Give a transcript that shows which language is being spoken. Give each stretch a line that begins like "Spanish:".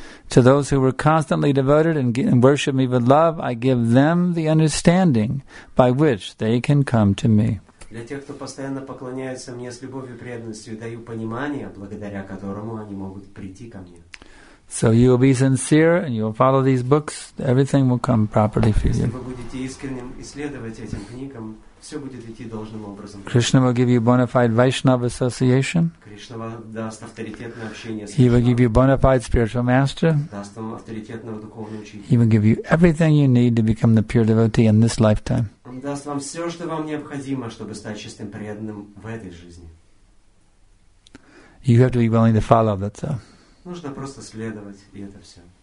English: To those who were constantly devoted and worship me with love, I give them the understanding by which they can come to me.
Russian: Для тех, кто постоянно поклоняется мне с любовью и преданностью, даю понимание, благодаря которому они могут прийти ко мне.
English: So you will be sincere and you will follow these books, everything will come properly for you.
Russian: Если вы будете искренним и следовать этим книгам, все будет идти должным образом.
English: Krishna will give you bona fide Vaishnava association.
Russian: Krishna даст авторитетное общение с
English: He will give you bona fide spiritual master.
Russian: Даст вам авторитетного духовного учителя.
English: He will give you everything you need to become the pure devotee in this lifetime.
Russian: Он даст вам все, что вам необходимо, чтобы стать чистым преданным в этой жизни.
English: You have to be willing to follow that, so.
Russian: Нужно просто следовать, и это все.